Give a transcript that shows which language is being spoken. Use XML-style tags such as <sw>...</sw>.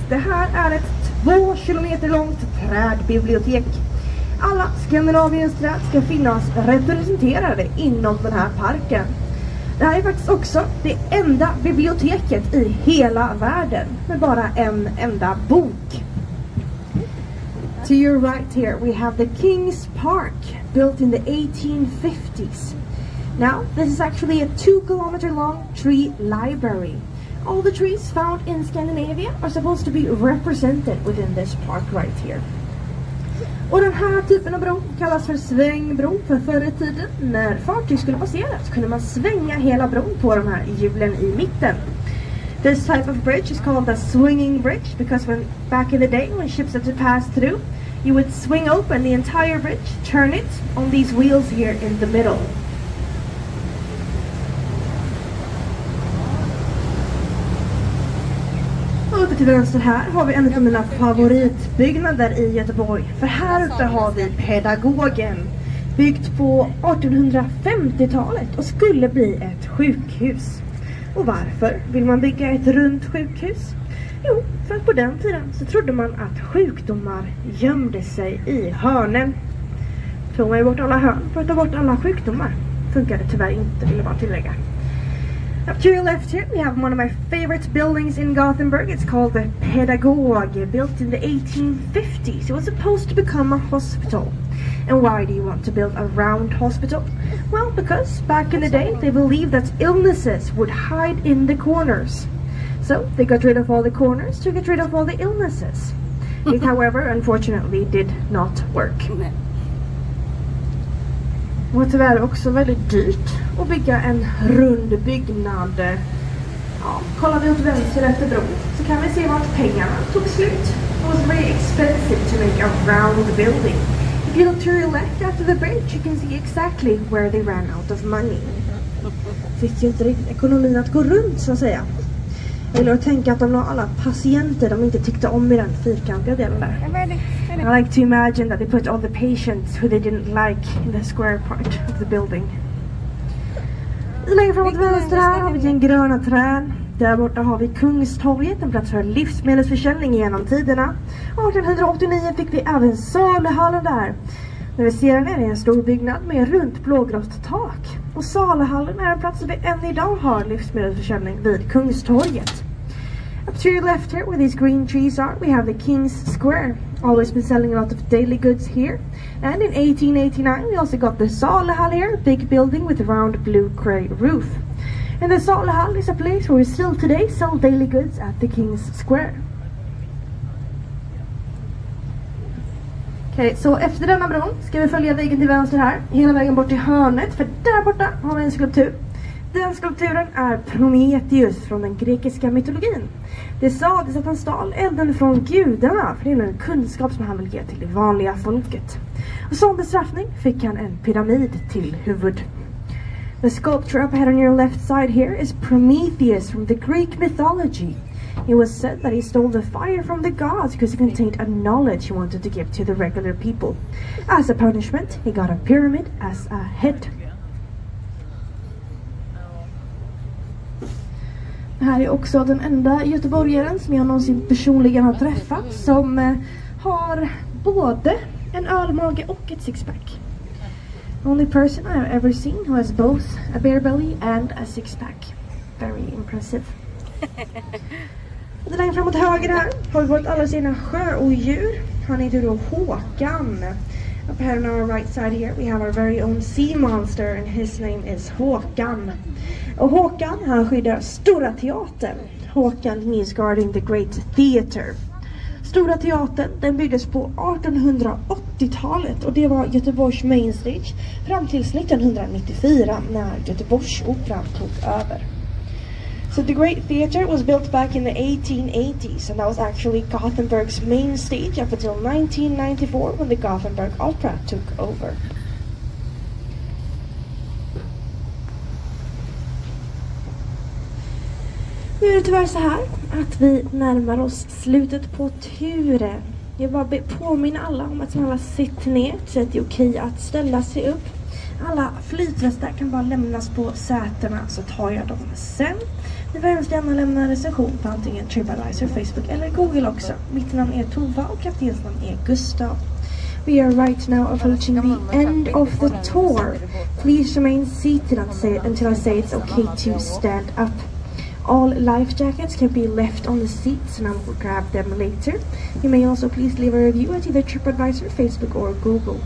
<sv>Det här är ett 2 kilometer långt trädbibliotek. Alla Skandinaviens träd ska finnas representerade inom den här parken. Det här är faktiskt också det enda biblioteket i hela världen med bara en enda bok.</sv> <en>To your right here we have the King's Park, built in the 1850s. Now this is actually a 2 kilometer long tree library. All the trees found in Scandinavia are supposed to be represented within this park right here.</en> <sv>Och den här typen av bro kallas för svängbro, för förr i tiden när fartyg skulle passera så kunde man svänga hela bron på de här hjulen i mitten.</sv> <en>This type of bridge is called the swinging bridge because when back in the day when ships had to pass through, you would swing open the entire bridge, turn it on these wheels here in the middle.</en> <sv>Till vänster här har vi en av mina favoritbyggnader i Göteborg. För här uppe har vi pedagogen, byggt på 1850-talet och skulle bli ett sjukhus. Och varför vill man bygga ett runt sjukhus? Jo, för att på den tiden så trodde man att sjukdomar gömde sig i hörnen. Tog man bort alla hörn för att ta bort alla sjukdomar, funkade tyvärr inte, vill jag bara tillägga.</sv> <en>Up to your left here, we have one of my favorite buildings in Gothenburg. It's called the Pedagog, built in the 1850s. It was supposed to become a hospital. And why do you want to build a round hospital? Well, because back in the day, they believed that illnesses would hide in the corners. So they got rid of all the corners to get rid of all the illnesses. It, however, unfortunately, did not work.</en> <sv>Det var tyvärr också väldigt dyrt att bygga en rund byggnad. Ja, kollar vi åt vänster efter bron så kan vi se vart pengarna tog slut.</sv> <en>It was very expensive to make a round building. If you look to your left after the bridge you can see exactly where they ran out of money.</en> <sv>Fick ju inte riktigt ekonomin att gå runt så att säga. Eller att tänka att de har alla patienter de inte tyckte om i den fyrkantiga delen där.</sv> <en>I like to imagine that they put all the patients who they didn't like in the square part of the building.</en> <sv>Längre framåt vänster här har vi den gröna trän. Där borta har vi Kungstorget, en plats för livsmedelsförsäljning genom tiderna. 1889 fick vi även saluhallen där. När vi ser den är det en stor byggnad med runt blågrått tak. Och saluhallen är en plats där vi än idag har livsmedelsförsäljning vid Kungstorget.</sv> <en>Up to your left here, where these green trees are, we have the King's Square. Always been selling a lot of daily goods here. And in 1889, we also got the saluhall here, a big building with a round blue grey roof. And the saluhall is a place where we still today sell daily goods at the King's Square.</en> <sv>Okej, så efter denna bron ska vi följa vägen till vänster här, hela vägen bort till hörnet, för där borta har vi en skulptur. Den skulpturen är Prometheus från den grekiska mytologin. Det sades att han stal elden från gudarna, för det är en kunskap som han vill ge till det vanliga folket. Och som bestraffning fick han en pyramid till huvud.</sv> <en>The sculpture up ahead on your left side here is Prometheus from the Greek mythology. It was said that he stole the fire from the gods because it contained a knowledge he wanted to give to the regular people. As a punishment, he got a pyramid as a head.</en> <sv>Det här är också den enda göteborgaren som jag någonsin personligen har träffat som har både en ölmage och ett sixpack.</sv> <en>The only person I've ever seen who has both a beer belly and a sixpack. Very impressive.</en> <sv>Lite längre framåt höger här har vi fått alla sina sjöodjur. Han heter då Håkan.</sv> <en>Up ahead on our right side here we have our very own sea monster and his name is Håkan.</en> <sv>Och Håkan, han skyddar Stora Teatern.</sv> <en>Håkan means guarding the great theater.</en> <sv>Stora Teatern, den byggdes på 1880-talet och det var Göteborgs main stage fram till 1994 när Göteborgsoperan tog över.</sv> <en>So the Great Theatre was built back in the 1880s and that was actually Gothenburg's main stage up until 1994 when the Gothenburg Opera took over.</en> <sv>Nu är det tyvärr så här att vi närmar oss slutet på turen. Jag vill bara påminna alla om att alla sitter ner så att det är okej att ställa sig upp. Alla flytvästar kan bara lämnas på sätena så tar jag dem sen. Ni får hemskt gärna lämna en recension på antingen TripAdvisor, Facebook eller Google också. Mitt namn är Tova och kaptenens namn är Gustav.</sv> <en>We are right now approaching the end of the tour. Please remain seated until I say it's okay to stand up. All life jackets can be left on the seats and I will grab them later. You may also please leave a review at either TripAdvisor, Facebook or Google.</en>